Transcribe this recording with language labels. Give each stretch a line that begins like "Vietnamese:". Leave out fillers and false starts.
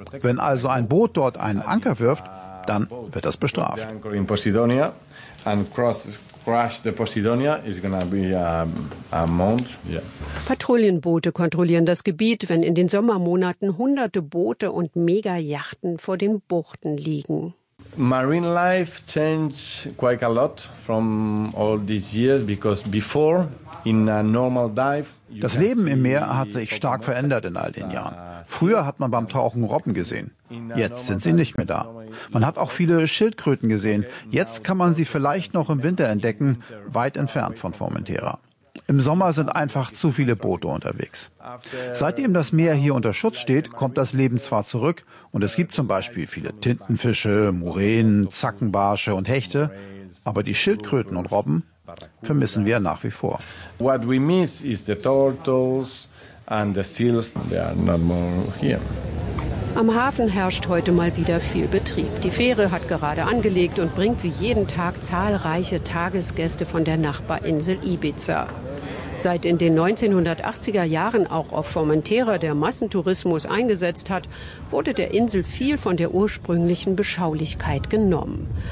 German: Wenn also ein Boot dort einen Anker wirft, dann wird das bestraft. Patrouillenboote kontrollieren das Gebiet, wenn in den Sommermonaten hunderte Boote und Megajachten vor den Buchten liegen.
English: Marine life changed quite a lot from all these years because before in a normal dive.
German: Das Leben im Meer hat sich stark verändert in all den Jahren. Früher hat man beim Tauchen Robben gesehen. Jetzt sind sie nicht mehr da. Man hat auch viele Schildkröten gesehen. Jetzt kann man sie vielleicht noch im Winter entdecken, weit entfernt von Formentera. Im Sommer sind einfach zu viele Boote unterwegs. Seitdem das Meer hier unter Schutz steht, kommt das Leben zwar zurück und es gibt zum Beispiel viele Tintenfische, Muränen, Zackenbarsche und Hechte, aber die Schildkröten und Robben vermissen wir nach wie vor.
English: What we miss is the turtles and the seals. They are not more here.
German: Am Hafen herrscht heute mal wieder viel Betrieb. Die Fähre hat gerade angelegt und bringt wie jeden Tag zahlreiche Tagesgäste von der Nachbarinsel Ibiza. Seit in den 1980er Jahren auch auf Formentera der Massentourismus eingesetzt hat, wurde der Insel viel von der ursprünglichen Beschaulichkeit genommen.